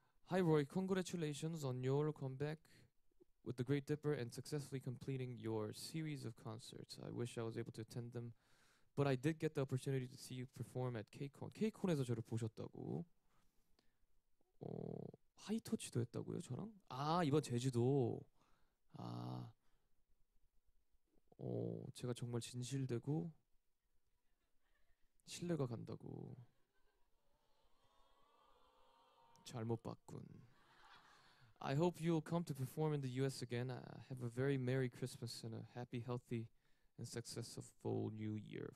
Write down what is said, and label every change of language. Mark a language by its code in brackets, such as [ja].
[en] Hi Roy, congratulations on your comeback with the Great Dipper and successfully completing your series of concerts. I wish I was able to attend them, but I did get the opportunity to see you perform at KCON. [ko] KCON에서 저를 보셨다고. 하이터치도 했다고요, 저랑? 아, 이번 제주도. 아, 제가 정말 진실되고 신뢰가 간다고. 잘못 봤군. [en] I hope you'll come to perform in the US again. Have a very Merry Christmas and a happy, healthy, and successful new year.